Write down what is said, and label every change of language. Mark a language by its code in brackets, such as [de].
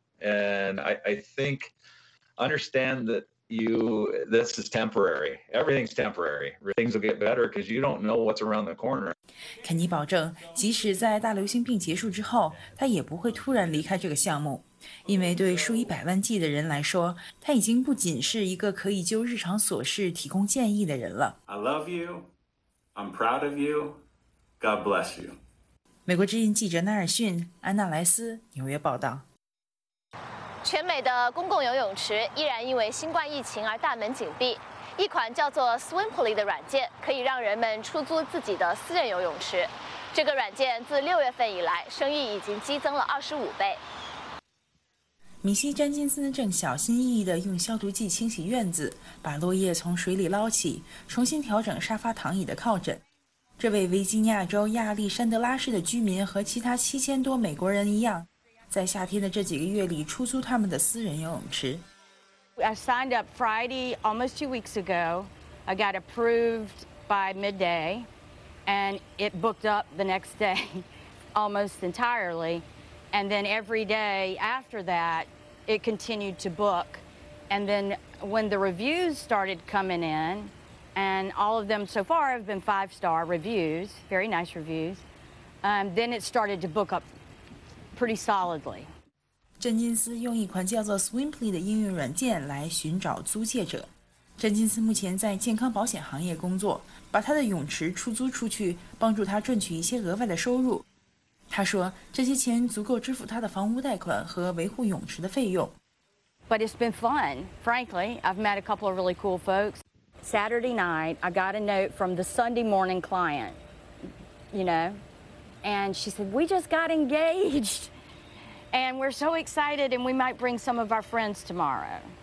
[en] And I think, understand that this is temporary. Everything's temporary. Things will get better because you don't know what's around the corner. [zh] 肯尼保证，即使在大流行病结束之后，他也不会突然离开这个项目。因为对数以百万计的人来说，他已经不仅是一个可以就日常琐事提供建议的人了。 [en] I love you. I'm proud of you. God bless you. [zh] 美国之音记者纳尔逊、安娜莱斯，纽约报道。全美的公共游泳池依然因为新冠疫情而大门紧闭。一款叫做 Swimply 的软件可以让人们出租自己的私人游泳池。这个软件自6月份以来，生意已经激增了25倍。米西·詹金森正小心翼翼地用消毒剂清洗院子，把落叶从水里捞起，重新调整沙发躺椅的靠枕。这位维吉尼亚州亚历山德拉市的居民和其他7000多美国人一样，在夏天的这几个月里出租他们的私人游泳池。 [en] I signed up Friday, almost 2 weeks ago. I got approved by midday, and it booked up the next day, almost entirely. And then every day after that, it continued to book. And then when the reviews started coming in, and all of them so far have been 5-star reviews, very nice reviews, then it started to book up pretty solidly. [zh] 詹金斯用一款叫做 Swimply 的应用软件来寻找租借者。詹金斯目前在健康保险行业工作，把他的泳池出租出去，帮助他赚取一些额外的收入。他说这些钱足够支付他的房屋贷款和维护泳池的费用。 [en] But it's been fun, frankly. I've met a couple of really cool folks. Saturday night, I got a note from the Sunday morning client, you know, and she said, we just got engaged and we're so excited and we might bring some of our friends tomorrow.